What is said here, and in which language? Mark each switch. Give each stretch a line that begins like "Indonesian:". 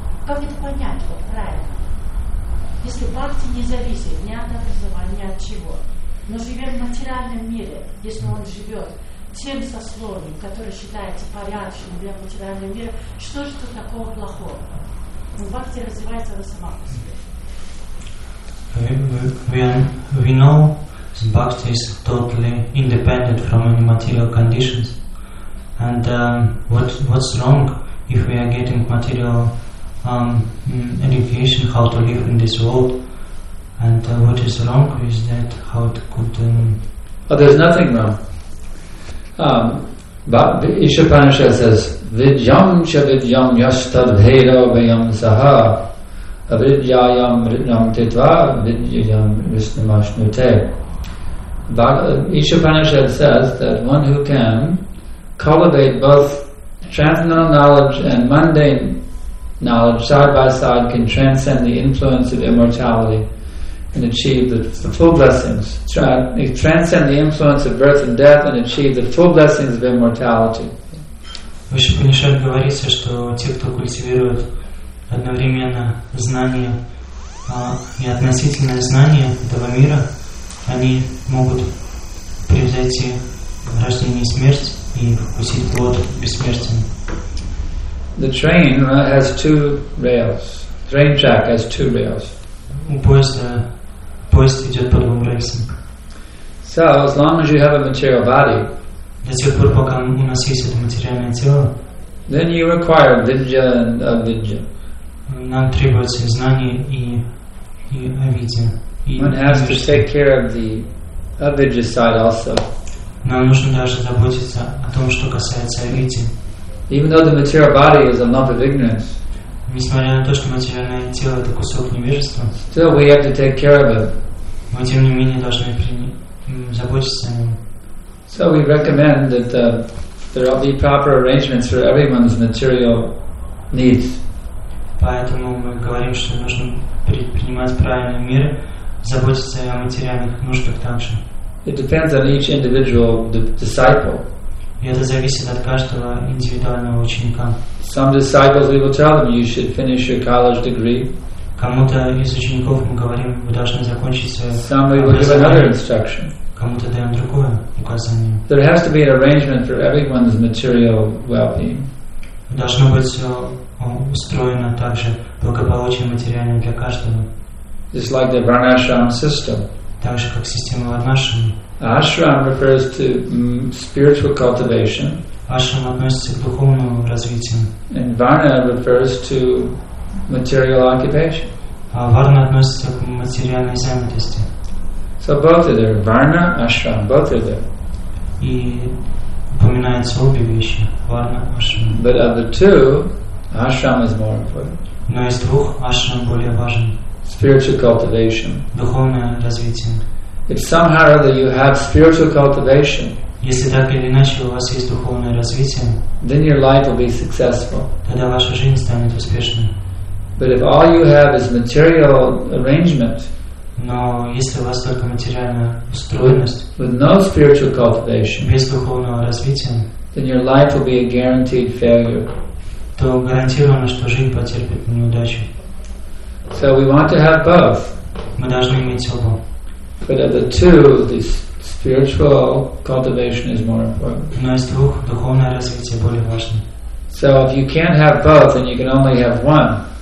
Russian: Как это понять, вот правильно? Если Бхакти не зависит ни от образования, ни от чего, но живет в материальном мире, если он живет тем сословием, которое считается порядочным для материального мира, что же тут такого плохого? Бхакти развивается она сама по себе.
English: We know that Bhakti is totally independent from any material conditions. And what's wrong if we are getting material education, how to live in this world, and what is wrong is that how it could There's nothing wrong. But Ishapanishad says
Sanskrit: vidyam cha vidyam yastad bheda vayam saha avidyayam ritnam titva vidyayam visnamashnute.
English: But Ishapanishad says that one who can cultivate both transcendental knowledge and mundane knowledge side by side can transcend the influence of immortality and achieve the full blessings. Transcend the influence of birth and death and achieve the full blessings of immortality.
Russian: Выше Панишад говорится, что те, кто культивирует одновременно знание и относительное знание этого мира, они могут превзойти рождение и смерть и вкусить плод бессмертия.
English: The train has two rails. Train track has two rails.
Russian: Поезд идет по двум рельсам.
English: So as long as you have a material body,
Russian: до тех пор, пока у нас есть это материальное тело,
English: then you require vidya and avidya.
Russian: Нам требуется знание и авидья.
English: One has to take care of the avidya side also.
Russian: Нам нужно даже заботиться о том, что касается авидьи.
English: Even though the material body is a lump of ignorance,
Russian: Несмотря на то, что материальное тело это кусок невежества,
English: still we have to take care of it.
Russian: Мы тем не менее должны заботиться о нем.
English: So we recommend that there will be proper arrangements for everyone's material needs.
Russian: Поэтому мы говорим, что нужно принимать правильные меры, заботиться о материальных нуждах также.
English: It depends on each individual disciple.
Russian: И это зависит от каждого индивидуального ученика.
English: Some disciples we will tell them you should finish your college degree.
Russian: Кому-то из учеников мы говорим, вы должны закончить свое образование.
English: Some we will give another instruction.
Russian: Кому-то даем другое указание.
English: There has to be an arrangement for everyone's material well-being.
Russian: Должно быть все устроено так же, благополучие материальное для каждого.
English: Just like the Varnashram system.
Russian: Так же, как система Варнашрама.
English: Ashram refers to spiritual cultivation.
Russian: Ashram относится к духовному развитию.
English: And Varna refers to material occupation.
Russian: А Варна относится к материальной занятости.
English: So both are there. Varna, Ashram, both are there.
Russian: И упоминаются обе вещи. Varna, Ashram.
English: But of the two, Ashram is more important.
Russian: Но из двух Ashram более важен.
English: Spiritual cultivation.
Russian: Духовное развитие.
English: If somehow or other you have spiritual cultivation,
Russian: если так или иначе у вас есть духовное развитие,
English: then your life will be successful.
Russian: Тогда ваша жизнь станет успешной.
English: But if all you have is material arrangement,
Russian: но если у вас только материальная устроенность,
English: with no spiritual cultivation,
Russian: без духовного развития,
English: then your life will be a guaranteed failure.
Russian: То гарантированно, что жизнь потерпит неудачу.
English: So we want to have both.
Russian: Мы должны иметь оба.
English: But of the two, the spiritual cultivation is more important.
Russian: Но из двух духовное развитие более важно.
English: So if you can't have both, then you can only have one.